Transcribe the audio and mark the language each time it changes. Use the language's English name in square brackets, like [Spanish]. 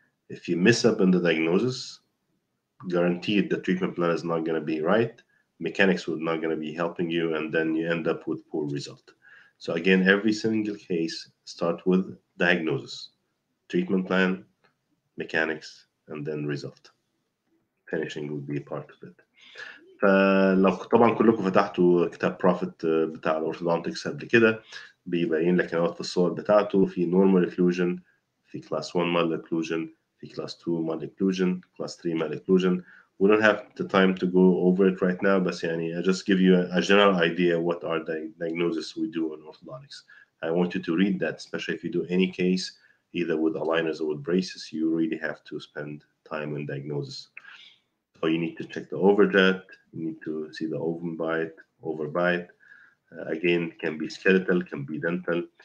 [English] If you mess up in the diagnosis, guaranteed the treatment plan is not going to be right, mechanics would not going to be helping you, and then you end up with poor result. So again, every single case start with diagnosis, treatment plan, mechanics, and then result. Finishing would be a part of it. [Arabic] فلو طبعا كلكم فتحتوا كتاب بروفيت بتاع الاورثودونتكس قبل كده, بيبين لك نقاط الصور بتاعته, في normal occlusion, في class 1 mal occlusion, the class 2 mal occlusion, class 3 mal occlusion. [English] We don't have the time to go over it right now, but I just give you a general idea what are the diagnoses we do in orthodontics. I want you to read that, especially if you do any case, either with aligners or with braces, you really have to spend time in diagnosis. So you need to check the overjet, you need to see the overbite, again, can be skeletal, can be dental.